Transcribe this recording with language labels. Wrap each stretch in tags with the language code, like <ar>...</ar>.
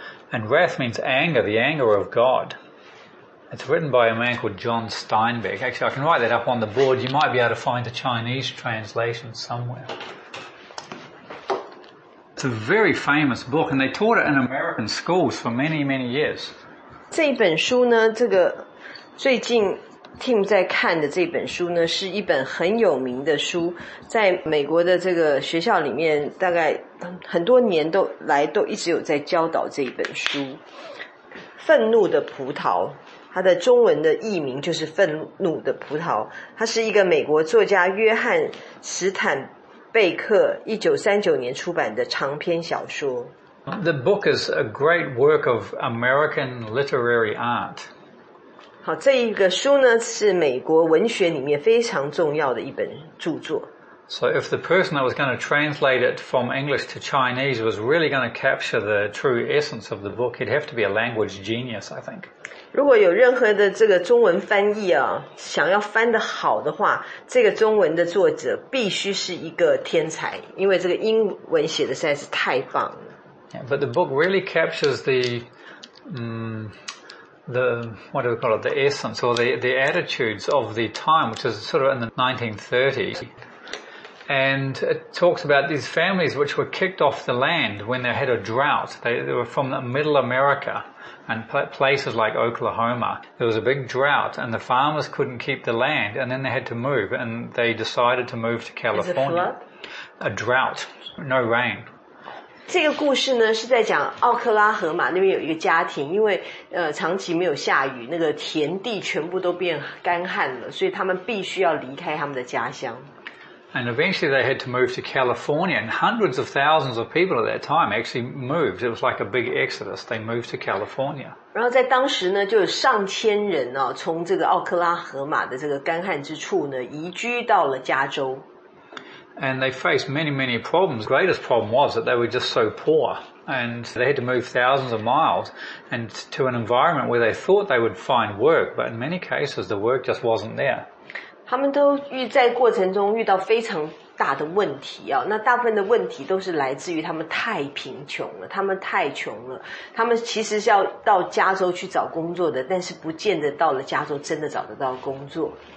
<en>And wrath means anger, the anger of God. It's written by a man called John Steinbeck. Actually, I can write that up on the board. You might be able to find a Chinese translation somewhere. It's a very famous book, and they taught it in American schools for many, many years.</en> <zh>这一本书呢，这个最近 Tim 在看的这本书呢，是一本很有名的书，在美国的这个学校里面，大概很多年都来都一直有在教导这一本书。愤怒的葡萄，它的中文的译名就是愤怒的葡萄。它是一个美国作家约翰史坦贝克1939年出版的长篇小说。</zh> <en>The book is a great work of American literary art.</en> <zh>好，这一个书呢是美国文学里面非常重要的一本著作。</zh> <en>So if the person that was going to translate it from English to Chinese was really going to capture the true essence of the book, he'd have to be a language genius, I think.</en> <zh>如果有任何的这个中文翻译啊，想要翻得好的话，这个中文的作者必须是一个天才，因为这个英文写的实在是太棒了。</zh> <en>Yeah, but the book really captures the, the what do we call it, the essence or the attitudes of the time, which is sort of in the 1930s. And it talks about these families which were kicked off the land when they had a drought. They were from the middle America and places like Oklahoma. There was a big drought and the farmers couldn't keep the land and then they had to move and they decided to move to California. A drought, no rain.</en> <zh>这个故事呢是在讲奥克拉荷马那边有一个家庭，因为长期没有下雨，那个田地全部都变干旱了，所以他们必须要离开他们的家乡。</zh> <en>And eventually they had to move to California, and hundreds of thousands of people at that time actually moved. It was like a big exodus. They moved to California.</en> <zh>然后在当时呢，就有上千人哦，从这个奥克拉荷马的这个干旱之处呢，移居到了加州。</zh> <en>And they faced many, many problems. The greatest problem was that they were just so poor, and they had to move thousands of miles and to an environment where they thought they would find work, but in many cases the work just wasn't there.</en> <zh>他们都在过程中遇到非常大的问题啊，那大部分的问题都是来自于他们太贫穷了，他们太穷了，他们其实是要到加州去找工作的，但是不见得到了加州真的找得到工作。</zh>